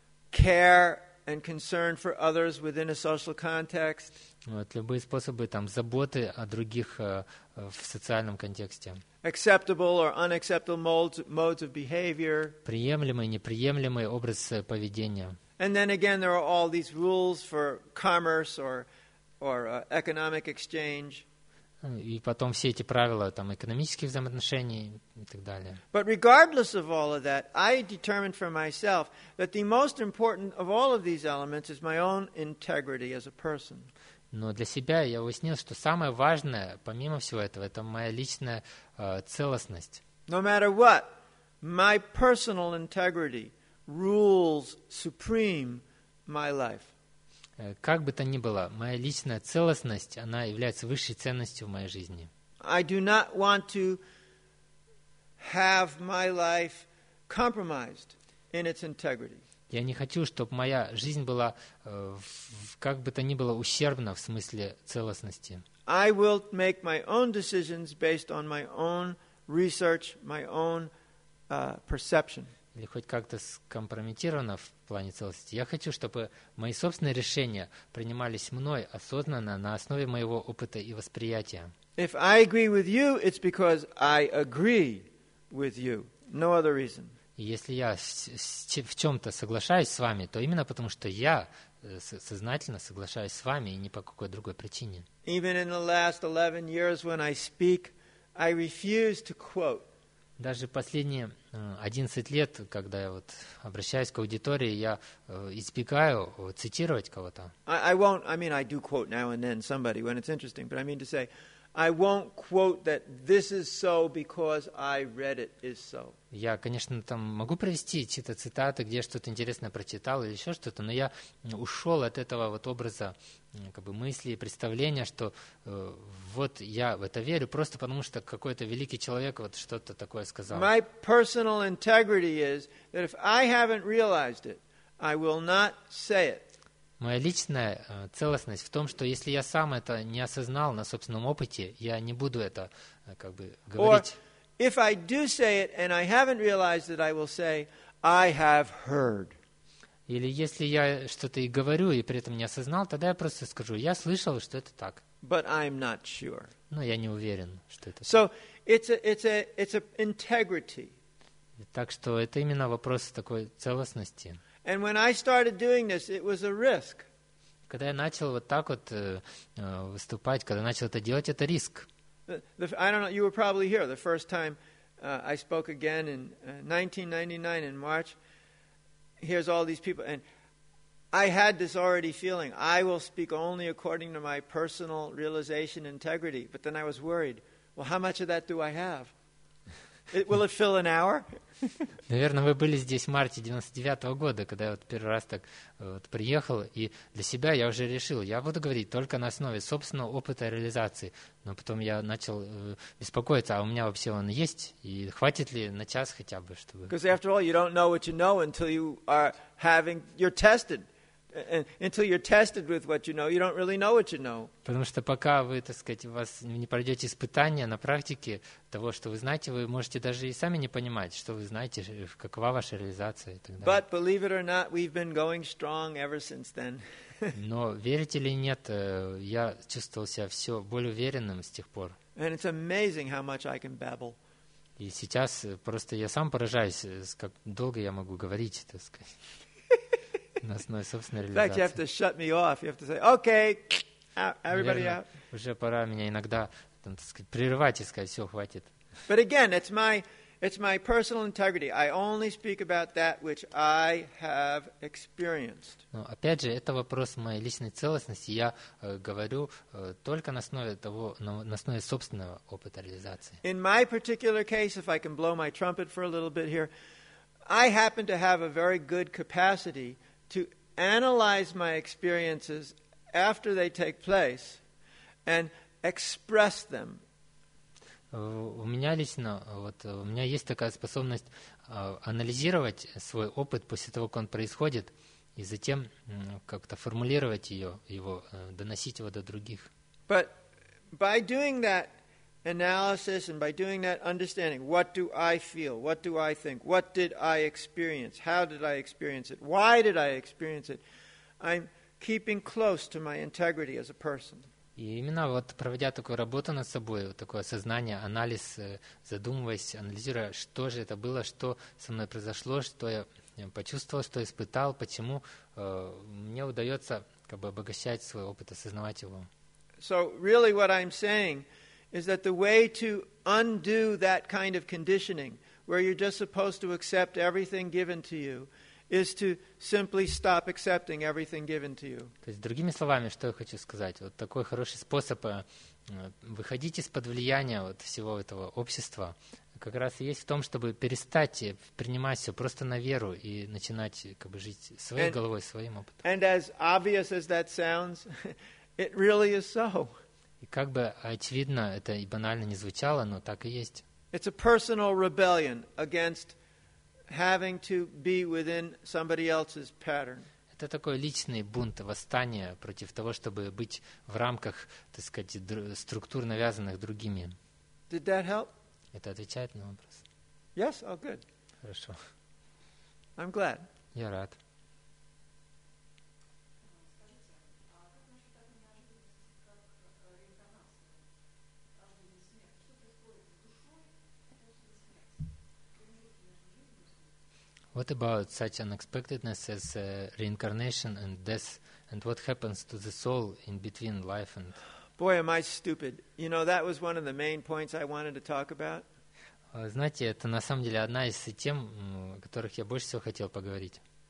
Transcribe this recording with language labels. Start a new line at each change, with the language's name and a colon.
English: Care and concern for others within a social context.
Russian: Вот любые способы там заботы о других в социальном контексте.
English: Acceptable or unacceptable modes of behavior.
Russian: Приемлемый, неприемлемый образ поведения.
English: And then again, there are all these rules for commerce or economic exchange.
Russian: И потом все эти правила там экономических взаимоотношений и так далее.
English: But regardless of all of that, I determined for myself that the most important of all of these elements is my own integrity as a person.
Russian: Но для себя я уяснил, что самое важное, помимо всего этого, это моя личная целостность.
English: No matter what, my personal integrity rules supreme my life.
Russian: Как бы то ни было, моя личная целостность, она является высшей ценностью в моей жизни.
English: I do not want to have my life compromised in its integrity.
Russian: Я не хочу, чтобы моя жизнь была, как бы то ни было, ущербна в смысле целостности.
English: I will make my own decisions based on my own research, my own perception.
Russian: Или хоть как-то скомпрометировано в плане целостности. Я хочу, чтобы мои собственные решения принимались мной осознанно на основе моего опыта и восприятия.
English: If I agree with you, it's because I agree with you. No other reason.
Russian: Если я в чем-то соглашаюсь с вами, то именно потому, что я сознательно соглашаюсь с вами и не по какой другой причине.
English: Even in the last 11 years when I speak, I refuse to quote.
Russian: Даже последние 11 лет, когда я вот обращаюсь к аудитории, я избегаю цитировать кого-то.
English: I do quote now and then somebody when it's interesting, but I mean to say, I won't quote that this is so because I read it is so.
Russian: Я, конечно, там могу привести чьи-то цитаты, где что-то интересное прочитал или еще что-то, но я ушел от этого вот образа как бы мысли и представления, что вот я в это верю просто потому, что какой-то великий человек вот что-то такое сказал.
English: My personal integrity is that if I haven't realized it, I will not say it.
Russian: Моя личная целостность в том, что если я сам это не осознал на собственном опыте, я не буду это как бы говорить.
English: Or if I do say it and I haven't realized it, I will say I have heard.
Russian: Или если я что-то и говорю и при этом не осознал, тогда я просто скажу: я слышал, что это так.
English: But I'm not sure.
Russian: Но я не уверен, что это.
English: So it's an integrity.
Russian: Так что это именно вопрос такой целостности.
English: And when I started doing this, it was a risk.
Russian: Когда я начал вот так вот выступать, когда начал это делать, это риск.
English: I don't know, you were probably here the first time I spoke again in 1999 in March. Here's all these people. And I had this already feeling, I will speak only according to my personal realization integrity. But then I was worried, well, how much of that do I have? Will it fill an hour?
Russian: Наверное, вы были здесь в марте 99-го года, когда я вот первый раз так вот приехал, и для себя я уже решил, я буду говорить только на основе собственного опыта реализации. Но потом я начал беспокоиться, а у меня вообще он есть, и хватит ли на час хотя бы, чтобы...
English: Because after all, you don't know what you know until you are having... You're tested. And until you're tested with what you know, you don't really know what you know.
Russian: Потому что пока вы, так сказать, у вас не пройдете испытания на практике того, что вы знаете, вы можете даже и сами не понимать, что вы знаете, какова ваша реализация и так далее.
English: But believe it or not, we've been going strong ever since then.
Russian: Но верите или нет, я чувствовал себя все более уверенным с тех пор.
English: And it's amazing how much I can babble.
Russian: И сейчас просто я сам поражаюсь, как долго я могу говорить, так сказать. На основе собственной реализации.
English: In fact, you have to shut me off. You have to say, okay, everybody out.
Russian: Уже пора меня иногда, там, так сказать, прерывать и сказать, все, хватит.
English: But again, it's my personal integrity. I only speak about that which I have experienced.
Russian: Но опять же, это вопрос моей личной целостности. Я говорю только на основе того, на основе собственного опыта реализации.
English: In my particular case, if I can blow my trumpet for a little bit here, I happen to have a very good capacity to analyze my experiences after they take place and express them.
Russian: У меня лично, вот у меня есть такая способность анализировать свой опыт после того, как он происходит, и затем как-то формулировать ее, его, доносить его до других.
English: But by doing that analysis and by doing that understanding, what do I feel? What do I think? What did I experience? How did I experience it? Why did I experience it? I'm keeping close to my integrity as a person.
Russian: И именно вот проводя такую работу над собой, вот такое осознание, анализ, задумываясь, анализируя, что же это было, что со мной произошло, что я почувствовал, что испытал, почему мне удается как бы обогащать свой опыт, осознавать его.
English: So really what I'm saying is that the way to undo that kind of conditioning, where you're just supposed to accept everything given to you, is to simply stop accepting everything given to you.
Russian: То есть, другими словами, что я хочу сказать, вот такой хороший способ выходить из-под влияния вот всего этого общества как раз и есть в том, чтобы перестать принимать все просто на веру и начинать как бы жить своей головой, своим опытом.
English: And as obvious as that sounds, it really is so.
Russian: И как бы очевидно это и банально не звучало, но так и есть.
English: It's a personal rebellion against having to be within somebody else's pattern.
Russian: Это такой личный бунт, восстание против того, чтобы быть в рамках, так сказать, структур, навязанных другими.
English: Did that help?
Russian: Это отвечает на вопрос?
English: Yes, oh good.
Russian: Хорошо.
English: I'm glad.
Russian: Я рад.
English: What about such unexpectedness as reincarnation and death, and what happens to the soul in between life and? Boy, am I stupid! You know that was one of the main points I wanted to talk about.
Russian: Знаете, это на самом деле одна из тем, о которых я больше всего хотел поговорить.